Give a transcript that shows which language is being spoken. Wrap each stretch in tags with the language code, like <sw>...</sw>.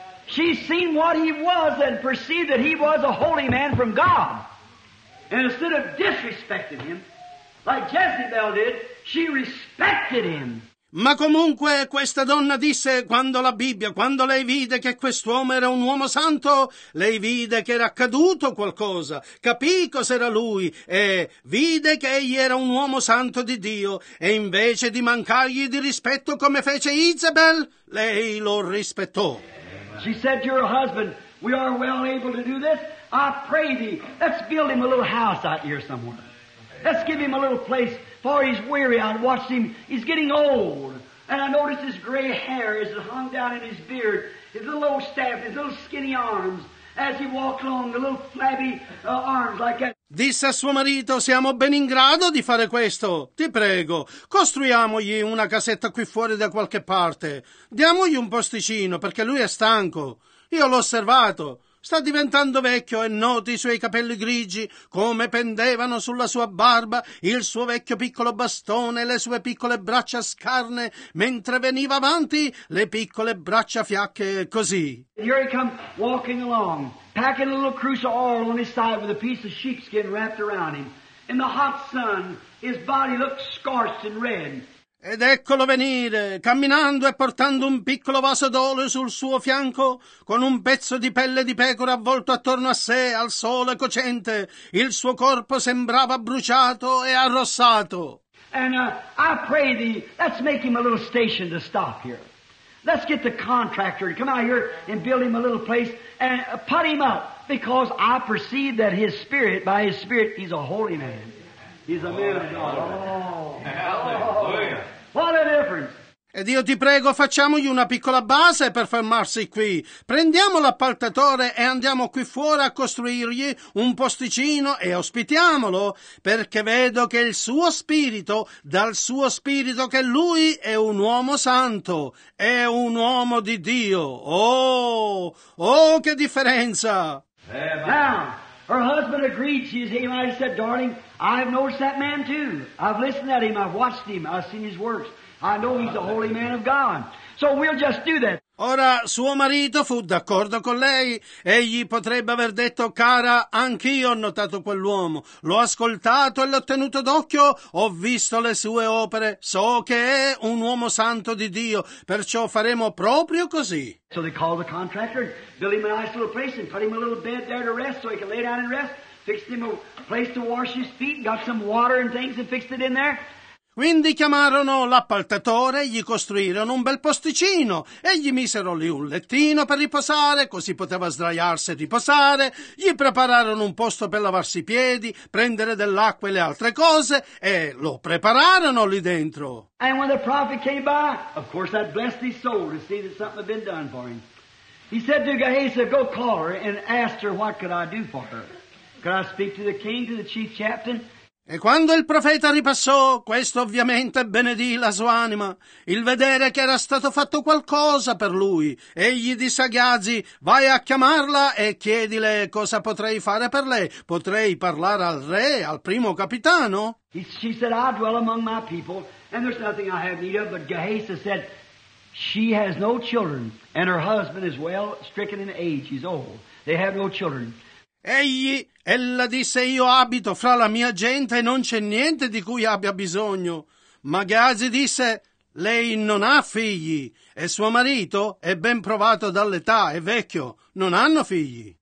<en>She seen what he was and perceived that he was a holy man from God. And instead of disrespecting him, like Jezebel did, she respected him.</en> <it>Ma comunque questa donna disse, quando la Bibbia, quando lei vide che quest'uomo era un uomo santo, lei vide che era accaduto qualcosa, capì cos'era lui, e vide che egli era un uomo santo di Dio, e invece di mancargli di rispetto come fece Jezebel, lei lo rispettò.</it> <en>She said to her husband, we are well able to do this. I pray thee, let's build him a little house out here somewhere. Let's give him a little place, for he's weary. I watched him. He's getting old. And I noticed his gray hair as it hung down in his beard, his little old staff, his little skinny arms, as he walked along, the little flabby arms like that.</en> <it>Disse a suo marito, siamo ben in grado di fare questo. Ti prego, costruiamogli una casetta qui fuori da qualche parte. Diamogli un posticino, perché lui è stanco. Io l'ho osservato. Sta diventando vecchio e noti i suoi capelli grigi, come pendevano sulla sua barba, il suo vecchio piccolo bastone, le sue piccole braccia scarne, mentre veniva avanti, le piccole braccia fiacche, così.</it> <en>Here he come walking along, packing a little cruse of oil on his side with a piece of sheepskin wrapped around him. In the hot sun, his body looked scorched and red.</en> <it>Ed eccolo venire, camminando e portando un piccolo vaso d'olio sul suo fianco, con un pezzo di pelle di pecora avvolto attorno a sé, al sole cocente. Il suo corpo sembrava bruciato e arrossato.</it> <en>And I pray thee, let's make him a little station to stop here. Let's get the contractor to come out here and build him a little place and put him up, because I perceive that his spirit, by his spirit, he's a holy man. He's a man of God. Hallelujah. What a difference.</en> <it>Ed io ti prego, facciamogli una piccola base per fermarsi qui. Prendiamo l'appaltatore e andiamo qui fuori a costruirgli un posticino e ospitiamolo, perché vedo che il suo spirito, dal suo spirito, che lui è un uomo santo, è un uomo di Dio. Oh, oh, che differenza!</it> <en>Now, her husband agreed. She is him. I said, darling, I've noticed that man too. I've listened at him, I've watched him, I've seen his works. I know he's a holy man of God. So we'll just do that.</en> <it>Ora suo marito fu d'accordo con lei. Egli potrebbe aver detto: cara, anch'io ho notato quell'uomo. L'ho ascoltato e l'ho tenuto d'occhio. Ho visto le sue opere. So che è un uomo santo di Dio. Perciò faremo proprio così.</it> <en>So they called the contractor, built him a nice little place and put him a little bed there to rest so he could lay down and rest. Fixed him a place to wash his feet, got some water and things and fixed it in there.</en> <it>Quindi chiamarono l'appaltatore, gli costruirono un bel posticino e gli misero lì un lettino per riposare, così poteva sdraiarsi e riposare. Gli prepararono un posto per lavarsi i piedi, prendere dell'acqua e le altre cose, e lo prepararono lì dentro.</it> <en>And when the prophet came by, of course that blessed his soul to see that something had been done for him. He said to Gehazi, go call her and ask her what could I do for her. Could I speak to the king, to the chief captain?</en> <it>E quando il profeta ripassò, questo ovviamente benedì la sua anima, il vedere che era stato fatto qualcosa per lui. Egli disse a Gehazi, vai a chiamarla e chiedile cosa potrei fare per lei. Potrei parlare al re, al primo capitano?</it> <en>She said, I dwell among my people, and there's nothing I have need of. But Gehazi said, she has no children, and her husband is well stricken in age. He's old. They have no children.</en> <it>Egli, ella disse, io abito fra la mia gente e non c'è niente di cui abbia bisogno. Ma Gehazi disse, lei non ha figli e suo marito è ben provato dall'età, è vecchio, non hanno figli.</it>